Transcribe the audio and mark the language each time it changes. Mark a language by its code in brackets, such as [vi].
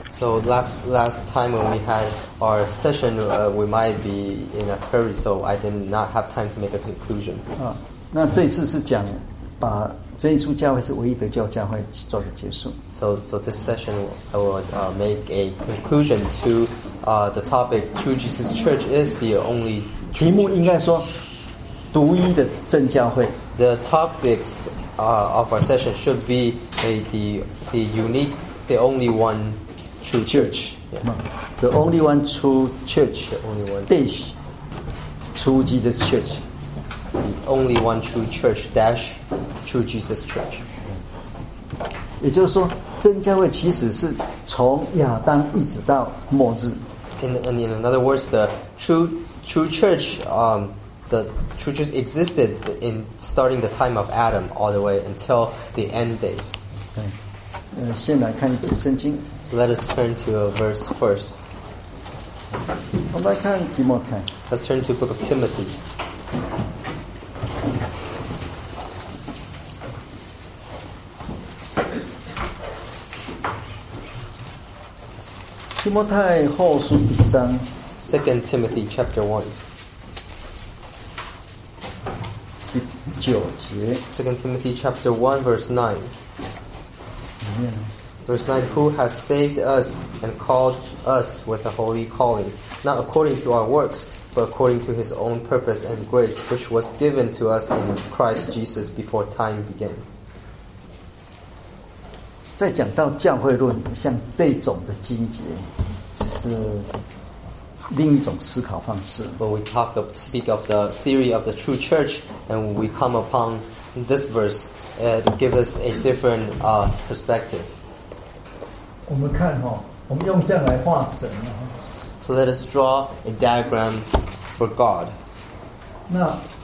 [en] So last time when we had our session, we might be in a hurry, so I did not have time to make a conclusion. [zh] 那这次是讲把真耶稣教会是唯一的教教会做个结束。 [en] So this session, I will make a conclusion to the topic, True Jesus Church is the only church. [zh] 题目应该说独一的真教会。 [en] The topic of our session should be the unique, the only one,True church, yeah. The only one true church, the only one dash, true Jesus church, the only one true church dash, true Jesus church. [zh] 也就是说，真教会其实是从亚当一直到末日。 [en] In another words, the true church, the true church existed in starting the time of Adam all the way until the end days. [zh] 先来看一节圣经。 [en] Let us turn to a verse first. [zh] 我们来看提摩太。 [en] Let's turn to the book of Timothy. [zh] 提摩太后书一章。 [en] Second Timothy chapter 1. [zh] 第九节。 [en] Second Timothy chapter 1 verse 9. Verse 9, who has saved us and called us with a holy calling, not according to our works, but according to his own purpose and grace, which was given to us in Christ Jesus before time began. [zh] 在讲到教会论，像这种的经节，只是另一种思考方式。 [en] When we speak of the theory of the true church, and we come upon this verse, it gives us a different perspective. [zh] 我们看哈，我们用这样来画神啊。 [en] So let us draw a diagram for God. [zh] 那